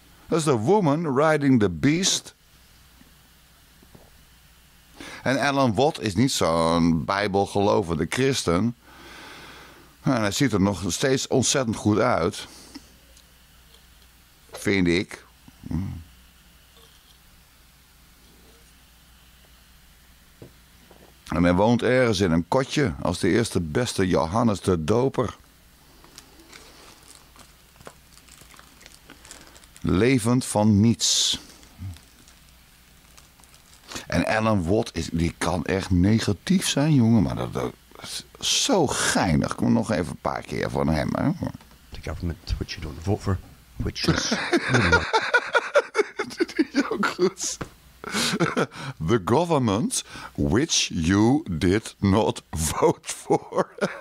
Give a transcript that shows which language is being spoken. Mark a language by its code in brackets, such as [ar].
[en] That's the woman riding the beast. [nl] En Alan Watt is niet zo'n bijbelgelovende christen. En hij ziet er nog steeds ontzettend goed uit. Vind ik. En hij woont ergens in een kotje als de eerste beste Johannes de Doper. Levend van niets. En Alan Watt, die kan echt negatief zijn, jongen. Maar dat is zo geinig. Kom nog even een paar keer van hem. Hè? [en] The government which you don't vote for. Which is... [nl] Ja, goed. [en] The government which you did not vote for.